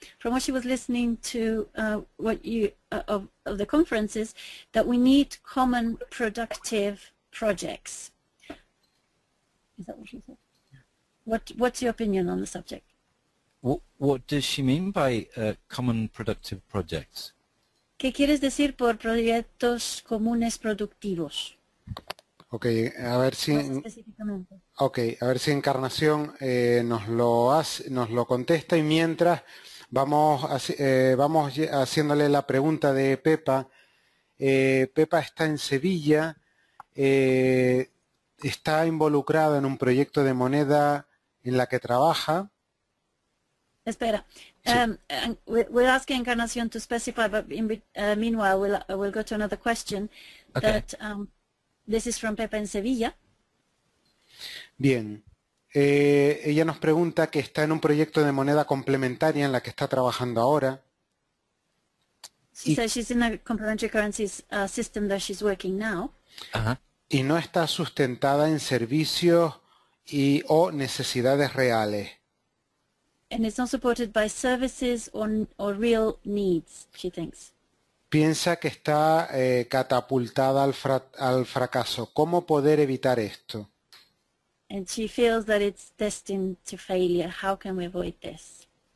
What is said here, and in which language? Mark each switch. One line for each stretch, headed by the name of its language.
English: From what she was listening to, of the conferences, that we need common productive projects. Is that what she said? What's your opinion on the subject? What does she mean by common productive projects?
Spanish: ¿Qué quieres decir por proyectos comunes productivos? Okay, a ver si Encarnación nos lo contesta, y mientras vamos haciéndole la pregunta de Pepa. Pepa está en Sevilla, está involucrada en un proyecto de moneda en la que trabaja. Espera.
English: We'll ask Encarnación to specify, but in meanwhile we'll go to another question. Okay. That this is from Pepa in Sevilla.
Spanish: Bien. Ella nos pregunta que está en un proyecto de moneda complementaria en la que está trabajando ahora.
English: She says she's in a complementary currencies system that she's working now.
Spanish: Y no está sustentada en servicios y o necesidades reales.
English: And it's not supported by services or real needs, she thinks.
Spanish: Piensa que está catapultada al fracaso. ¿Cómo poder evitar esto?
English: And she feels that it's destined to failure. How can we avoid this?